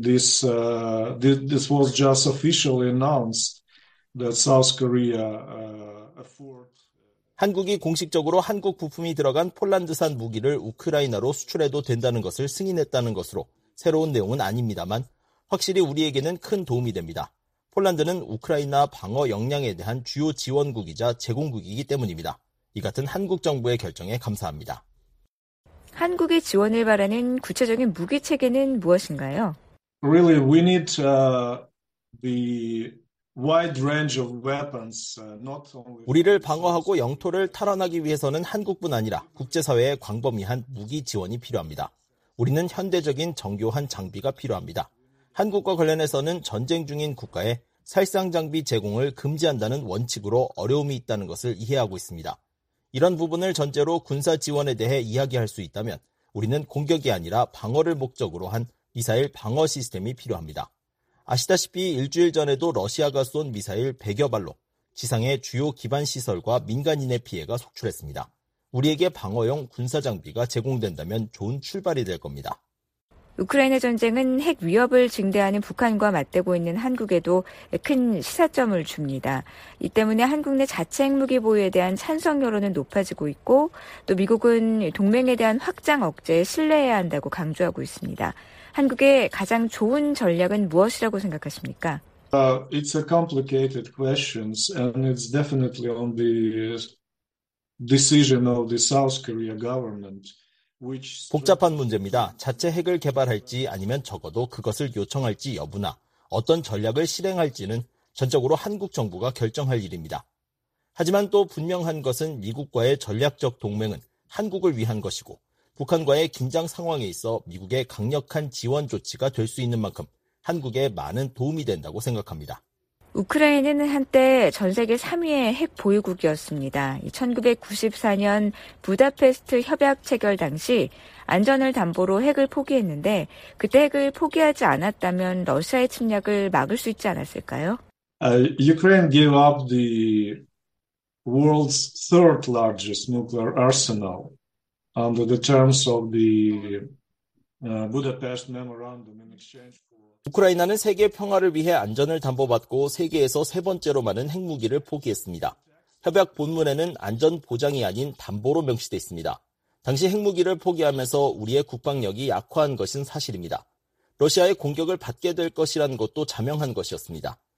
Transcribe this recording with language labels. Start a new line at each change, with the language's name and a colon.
English: This was just officially announced that South Korea afford
Korean: 한국이 공식적으로 한국 부품이 들어간 폴란드산 무기를 우크라이나로 수출해도 된다는 것을 승인했다는 것으로 새로운 내용은 아닙니다만 확실히 우리에게는 큰 도움이 됩니다. 폴란드는 우크라이나 방어 역량에 대한 주요 지원국이자 제공국이기 때문입니다. 이 같은 한국 정부의 결정에 감사합니다. 한국의 지원을 바라는 구체적인 무기 체계는 무엇인가요?
English: really, we need the wide range of weapons, not only.
Korean: 우리를 방어하고 영토를 탈환하기 위해서는 한국뿐 아니라 국제사회의 광범위한 무기 지원이 필요합니다. 우리는 현대적인 정교한 장비가 필요합니다. 한국과 관련해서는 전쟁 중인 국가에 살상 장비 제공을 금지한다는 원칙으로 어려움이 있다는 것을 이해하고 있습니다. 이런 부분을 전제로 군사 지원에 대해 이야기할 수 있다면 우리는 공격이 아니라 방어를 목적으로 한 미사일 방어 시스템이 필요합니다. 아시다시피 일주일 전에도 러시아가 쏜 미사일 100여 발로 지상의 주요 기반 시설과 민간인의 피해가 속출했습니다. 우리에게 방어용 군사 장비가 제공된다면 좋은 출발이 될 겁니다. 우크라이나 전쟁은 핵 위협을 증대하는 북한과 맞대고 있는 한국에도 큰 시사점을 줍니다. 이 때문에 한국 내 자체 핵무기 보유에 대한 찬성 여론은 높아지고 있고 또 미국은 동맹에 대한 확장 억제에 신뢰해야 한다고 강조하고 있습니다. 한국의 가장 좋은 전략은 무엇이라고 생각하십니까?
English: It's a complicated question and it's definitely on the decision of the South Korea government.
Korean: 복잡한 문제입니다. 자체 핵을 개발할지 아니면 적어도 그것을 요청할지 여부나 어떤 전략을 실행할지는 전적으로 한국 정부가 결정할 일입니다. 하지만 또 분명한 것은 미국과의 전략적 동맹은 한국을 위한 것이고 북한과의 긴장 상황에 있어 미국의 강력한 지원 조치가 될 수 있는 만큼 한국에 많은 도움이 된다고 생각합니다. 우크라이나는 한때 전 세계 3위의 핵 보유국이었습니다. 1994년 부다페스트 협약 체결 당시 안전을 담보로 핵을 포기했는데 그때 핵을 포기하지 않았다면 러시아의 침략을 막을 수 있지 않았을까요?
English: Ukraine gave up the world's third largest nuclear arsenal under the terms of the Budapest Memorandum in exchange.
Korean: 우크라이나는 세계 평화를 위해 안전을 담보받고 세계에서 세 번째로 많은 핵무기를 포기했습니다. 협약 본문에는 안전 보장이 아닌 담보로 명시돼 있습니다. 당시 핵무기를 포기하면서 우리의 국방력이 약화한 것은 사실입니다. 러시아의 공격을 받게 될 것이라는 것도 자명한 것이었습니다.